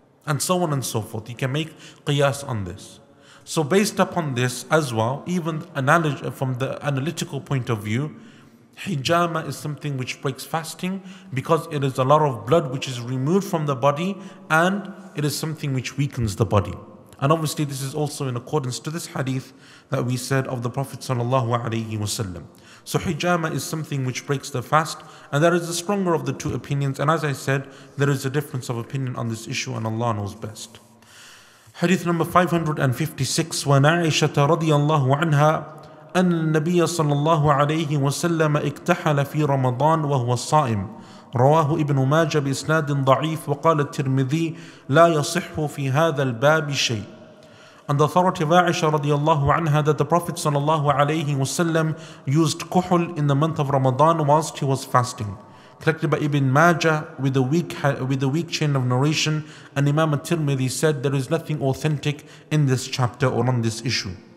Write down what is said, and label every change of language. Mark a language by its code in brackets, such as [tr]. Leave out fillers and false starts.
[en] And so on and so forth. You can make qiyas on this. So based upon this as well, even analogy from the analytical point of view, hijama is something which breaks fasting because it is a lot of blood which is removed from the body and it is something which weakens the body. And obviously this is also in accordance to this hadith that we said of the Prophet sallallahu alaihi wasallam. So hijama is something which breaks the fast, and that is the stronger of the two opinions. And as I said, there is a difference of opinion on this issue and Allah knows best. Hadith number 556, [ar] وَنَا عَيْشَةَ رَضِيَ اللَّهُ عَنْهَا أَنَّ النَّبِيَ صَلَّى اللَّهُ عَلَيْهِ وَسَلَّمَ اِكْتَحَلَ فِي رَمَضَانَ وَهُوَ الصَّائِمِ رواه ابن ماجه بإسناد ضعيف وقال الترمذي لا يصح في هذا الباب شيء. [en] And the authority of Aisha radiallahu anha that the Prophet sallallahu alayhi wasallam used kuhul in the month of Ramadan whilst he was fasting. Collected by Ibn Majah with a weak chain of narration, and Imam al-Tirmidhi said there is nothing authentic in this chapter or on this issue.